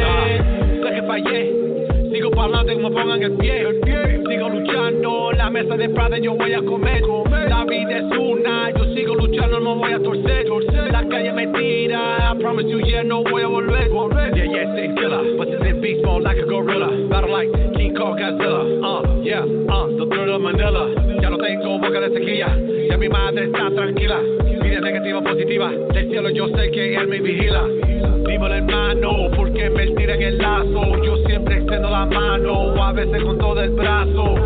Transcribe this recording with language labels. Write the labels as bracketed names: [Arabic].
[Spanish] Sé que fallé, sigo para adelante como pongan el pie. Sigo luchando, la mesa de Prada yo voy a comer. La vida es una, yo sigo luchando, no voy a torcer. La calle me tira, [English] I promise you, yeah, [Spanish] no voy a volver. [English] Yeah, yeah, stay killer, but this is beast mode like a gorilla. Battle like King Kong Godzilla, the thrill of Manila. [Spanish] Ya no tengo boca de sequía, ya mi madre está tranquila. Negativa, positiva, del cielo yo sé que él me vigila. Vivo el hermano, porque me tiran el lazo. Yo siempre extiendo la mano, a veces con todo el brazo.